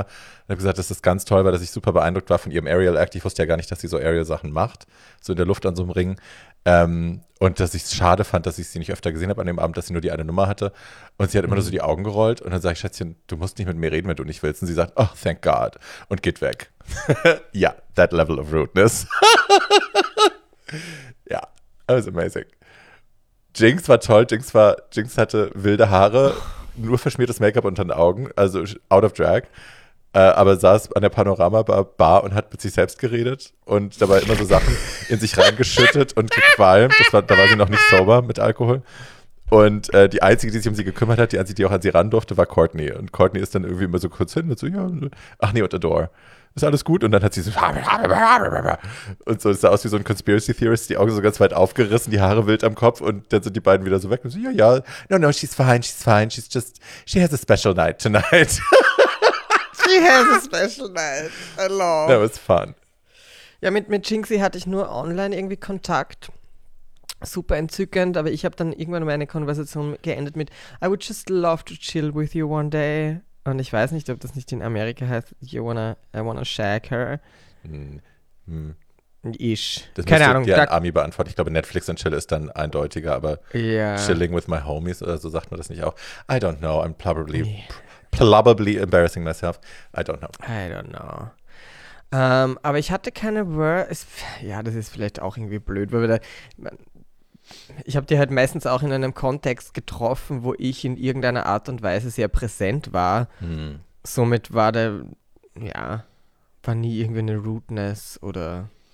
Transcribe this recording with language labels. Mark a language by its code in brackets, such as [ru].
[de] Und habe gesagt, dass das ganz toll war, dass ich super beeindruckt war von ihrem Aerial Act. Ich wusste ja gar nicht, dass sie so Aerial-Sachen macht, so in der Luft an so einem Ring. Und dass ich es schade fand, dass ich sie nicht öfter gesehen habe an dem Abend, dass sie nur die eine Nummer hatte. Und sie hat immer nur so die Augen gerollt. Und dann sage ich, Schätzchen, du musst nicht mit mir reden, wenn du nicht willst. Und sie sagt, [en] oh, thank God. [de] Und geht weg. [en] Ja, that level of rudeness. Ja, that was amazing. [de] Jinx war toll, Jinx hatte wilde Haare, nur verschmiertes Make-up unter den Augen, also [en] out of drag, [de] aber saß an der Panorama-Bar und hat mit sich selbst geredet und dabei immer so Sachen in sich reingeschüttet und gequalmt, da war sie noch nicht sober mit Alkohol. Und die Einzige, die sich um sie gekümmert hat, die Einzige, die auch an sie ran durfte, war Courtney. Und Courtney ist dann irgendwie immer so kurz hin mit so, ja, ach nee, und Adore. Ist alles gut? Und dann hat sie so, und so, es sah aus wie so ein Conspiracy Theorist, die Augen so ganz weit aufgerissen, die Haare wild am Kopf und dann sind die beiden wieder so weg und so, ja, ja, [en] no, no, she's fine, she's just, she has a special night tonight. She has a special night, I love. That was fun. [de] Ja, mit Jinxie hatte ich nur online irgendwie Kontakt. Super entzückend, aber ich habe dann irgendwann meine Konversation geendet mit [en] I would just love to chill with you one day. [de] Und ich weiß nicht, ob das nicht in Amerika heißt, [en] I wanna shag her. Ish. [de] Das keine Ahnung. Das müsste dir ein Ami beantworten. Ich glaube, Netflix und Chill ist dann eindeutiger, aber [en] chilling with my homies [de] oder so sagt man das nicht auch. [en] I don't know, I'm probably embarrassing myself. I don't know. [de] Aber ich hatte keine Words. Ja, das ist vielleicht auch irgendwie blöd, weil wir da... Ich habe die halt meistens auch in einem Kontext getroffen, wo ich in irgendeiner Art und Weise sehr präsent war. Somit war der, war nie irgendwie eine Rudeness oder